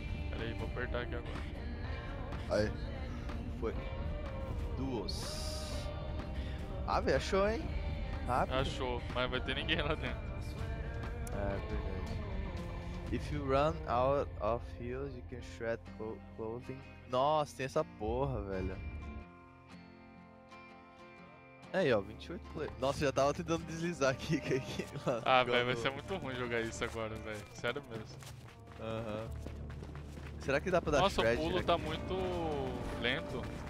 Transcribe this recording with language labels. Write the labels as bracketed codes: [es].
[pt] Pera aí, vou apertar aqui agora. Aí. Foi. Duas. Ah, velho, achou, hein? Rápido. Achou, mas vai ter ninguém lá dentro. É verdade. [en] If you run out of heals, you can shred clothing. [pt] Nossa, tem essa porra, velho. Aí, ó, 28 players. Nossa, já tava tentando deslizar aqui. Ah, velho, vai ser muito ruim jogar isso agora, velho. Sério mesmo. Aham. Será que dá pra dar Nossa, [en] shred? [pt] Nossa, o pulo tá muito lento.